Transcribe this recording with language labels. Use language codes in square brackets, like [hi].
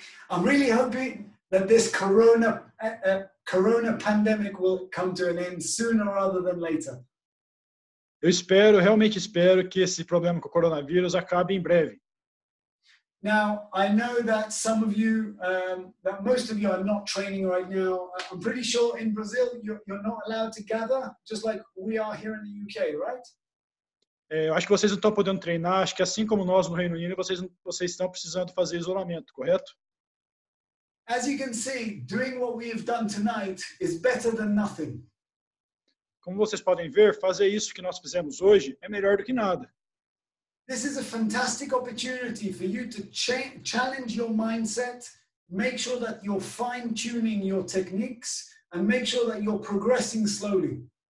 [en] I'm really hoping that this corona pandemic will come to an end sooner rather than later. [pt] Eu espero, realmente espero que esse problema com o coronavírus acabe em breve. [en] Now, I know that some of you, that most of you are not training right now. I'm pretty sure in Brazil, you're not allowed to gather, just like we are here in the UK, right? [pt] Eu acho que vocês não estão podendo treinar, acho que assim como nós no Reino Unido, vocês estão precisando fazer isolamento, correto? [en] As you can see, doing what we've done tonight is better than nothing. [pt] Como vocês podem ver, fazer isso que nós fizemos hoje é melhor do que nada. [en] This is a fantastic opportunity for you to challenge your mindset, make sure that you're fine-tuning your techniques, and make sure that you're progressing slowly.